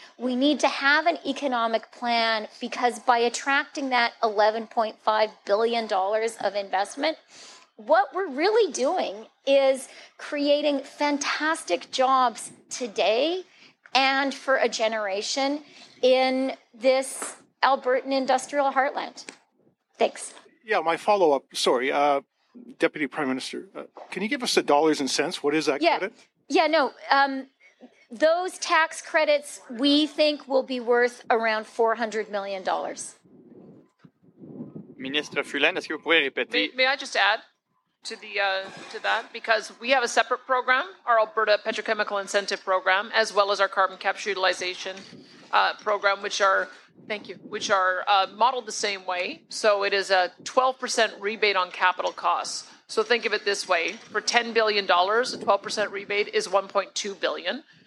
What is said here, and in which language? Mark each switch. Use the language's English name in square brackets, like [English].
[English] We need to have an economic plan because by attracting that $11.5 billion of investment, what we're really doing is creating fantastic jobs today and for a generation in this Albertan industrial heartland. Thanks. Yeah, my follow-up, sorry, Deputy Prime Minister, can you give us the dollars and cents? What is that credit? Those tax credits we think will be worth around $400 million. [French] Ministre Freeland, est-ce que vous pouvez répéter? [English] May I just add to that? Because we have a separate program, our Alberta Petrochemical Incentive Program, as well as our Carbon Capture Utilization Program, which are modeled the same way. So it is a 12% rebate on capital costs. So think of it this way. For $10 billion, a 12% rebate is $1.2 billion.